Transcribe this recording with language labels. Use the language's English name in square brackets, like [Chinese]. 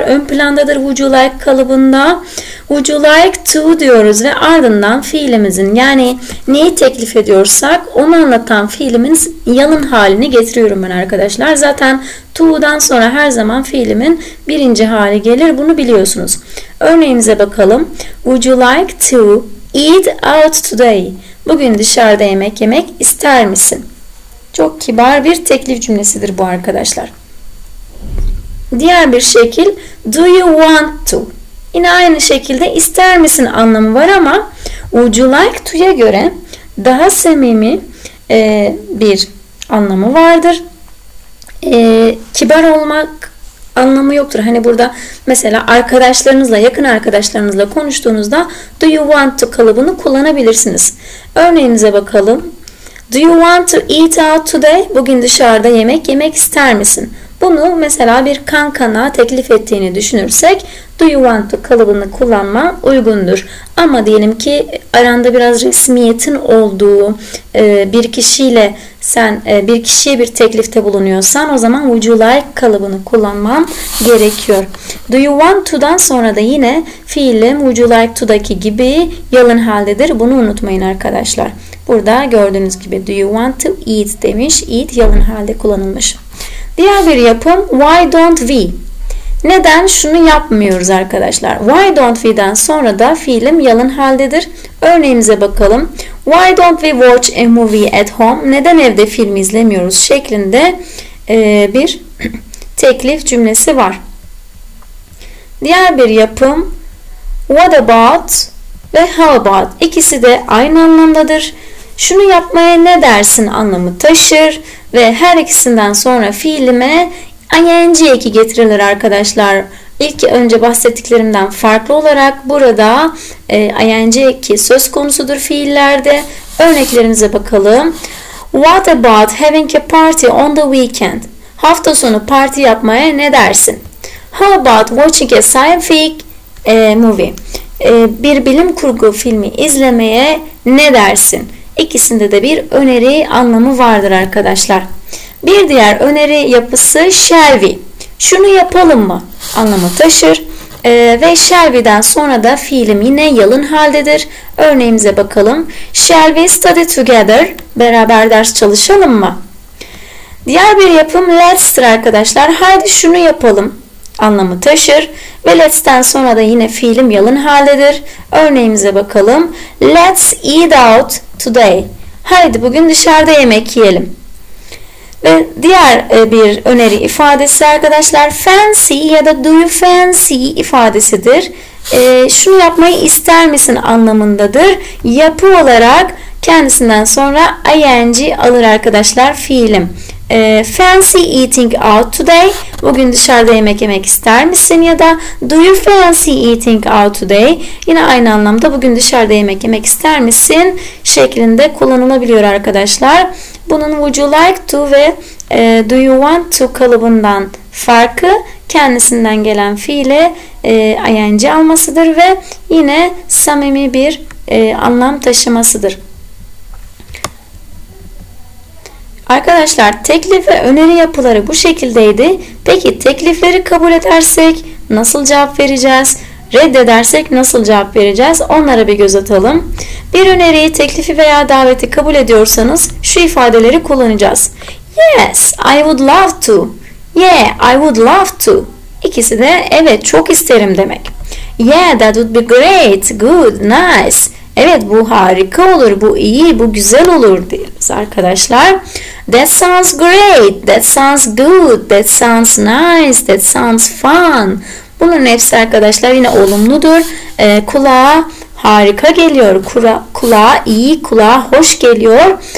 [Turkish] Ön plandadır would you like kalıbında. Would you like to diyoruz ve ardından fiilimizin yani neyi teklif ediyorsak onu anlatan fiilimin yalın halini getiriyorum ben arkadaşlar. Zaten to'dan sonra her zaman fiilimin birinci hali gelir. Bunu biliyorsunuz. Örneğimize bakalım. [English] Would you like to eat out today? [Turkish] Bugün dışarıda yemek yemek ister misin? Çok kibar bir teklif cümlesidir bu arkadaşlar. Diğer bir şekil do you want to? Yine aynı şekilde ister misin anlamı var ama would you like to'ya göre daha samimi bir anlamı vardır. Kibar olmak anlamı yoktur. Hani burada mesela arkadaşlarınızla, yakın arkadaşlarınızla konuştuğunuzda do you want to kalıbını kullanabilirsiniz. Örneğimize bakalım. [English] Do you want to eat out today? [Turkish] Bugün dışarıda yemek yemek ister misin? Bunu mesela bir kankana teklif ettiğini düşünürsek do you want to kalıbını kullanma uygundur. Ama diyelim ki aranda biraz resmiyetin olduğu bir kişiyle sen bir kişiye bir teklifte bulunuyorsan o zaman would you like kalıbını kullanman gerekiyor. Do you want to'dan sonra da yine fiilim would you like to'daki gibi yalın haldedir. Bunu unutmayın arkadaşlar. Burada gördüğünüz gibi do you want to eat demiş. Eat yalın halde kullanılmış. Diğer bir yapım why don't we? Neden şunu yapmıyoruz arkadaşlar? Why don't we'den sonra da fiilim yalın haldedir. Örneğimize bakalım. [English] Why don't we watch a movie at home? [Turkish] Neden evde film izlemiyoruz şeklinde bir teklif cümlesi var. Diğer bir yapım what about ve how about? İkisi de aynı anlamdadır. Şunu yapmaya ne dersin anlamı taşır ve her ikisinden sonra fiilime ing eki getirilir arkadaşlar. İlk önce bahsettiklerimden farklı olarak burada ing eki söz konusudur fiillerde. Örneklerimize bakalım. [English] What about having a party on the weekend? [Turkish] Hafta sonu parti yapmaya ne dersin? [English] How about watching a scientific movie? [Turkish] Bir bilim kurgu filmi izlemeye ne dersin? İkisinde de bir öneri anlamı vardır arkadaşlar. Bir diğer öneri yapısı shall we. Şunu yapalım mı anlamı taşır. Ve shall we'den sonra da fiilim yine yalın haldedir. Örneğimize bakalım. [English] Shall we study together? [Turkish] Beraber ders çalışalım mı? Diğer bir yapım let's'tir arkadaşlar. Haydi şunu yapalım anlamı taşır. Ve let's'ten sonra da yine fiilim yalın haldedir. Örneğimize bakalım. [English] Let's eat out today. [Turkish] Haydi bugün dışarıda yemek yiyelim. Ve diğer bir öneri ifadesi arkadaşlar fancy ya da do you fancy ifadesidir. Şunu yapmayı ister misin anlamındadır. Yapı olarak kendisinden sonra ing alır arkadaşlar fiilim. [English] Fancy eating out today. [Turkish] Bugün dışarıda yemek yemek ister misin? [English] Ya da do you fancy eating out today? [Turkish] Yine aynı anlamda bugün dışarıda yemek yemek ister misin? Şeklinde kullanılabiliyor arkadaşlar. Bunun would you like to ve do you want to kalıbından farkı kendisinden gelen fiile ing almasıdır ve yine samimi bir anlam taşımasıdır. Arkadaşlar teklif ve öneri yapıları bu şekildeydi. Peki teklifleri kabul edersek nasıl cevap vereceğiz? Reddedersek nasıl cevap vereceğiz? Onlara bir göz atalım. Bir öneriyi, teklifi veya daveti kabul ediyorsanız şu ifadeleri kullanacağız. [English] Yes, I would love to. Yeah, I would love to. [Turkish] İkisi de evet çok isterim demek. [English] Yeah, that would be great, good, nice. [Turkish] Evet bu harika olur, bu iyi, bu güzel olur diyoruz arkadaşlar. [English] That sounds great, that sounds good, that sounds nice, that sounds fun. [Turkish] Bunun hepsi arkadaşlar yine olumludur. Kulağa harika geliyor, kulağa iyi, kulağa hoş geliyor.